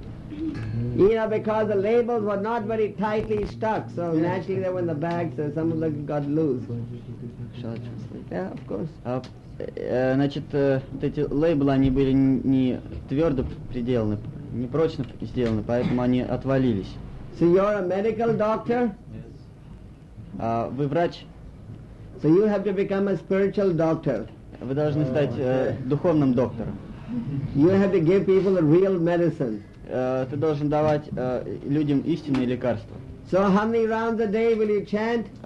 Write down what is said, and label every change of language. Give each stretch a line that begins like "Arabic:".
English: You know, because the labels were not very tightly stuck, so naturally they were in the bag, so some of them got loose. Yeah, of course.
Russian: Значит, вот эти лейблы, они были не твердо приделаны, не прочно сделаны, поэтому они отвалились.
English: So you're a medical doctor?
Russian: Yes. Вы врач?
English: So you have to become a spiritual doctor.
Russian: Вы должны стать духовным доктором.
English: You have to give people a real medicine.
Russian: Ты должен давать людям истинные лекарства.
English: So how many rounds a day will you chant?